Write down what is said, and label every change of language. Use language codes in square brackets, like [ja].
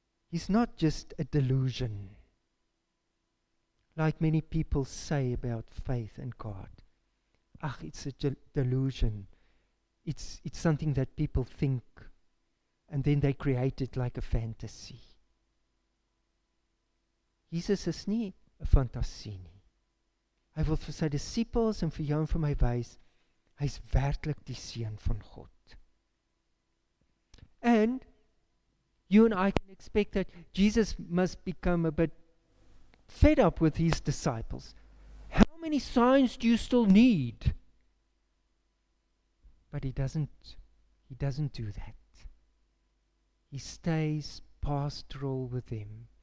[en] He's not just a delusion. Like many people say about faith and God. Ach, it's a delusion. It's something that people think. And then they create it like a fantasy. [af] Jesus is nie 'n fantasie nie. Hy wil vir sy disippels en vir jou en vir my wys, hy is werklik die Seun van God. [en] And you and I can expect that Jesus must become a bit fed up with His disciples. How many signs do you still need? But He doesn't do that. He stays pastoral with them.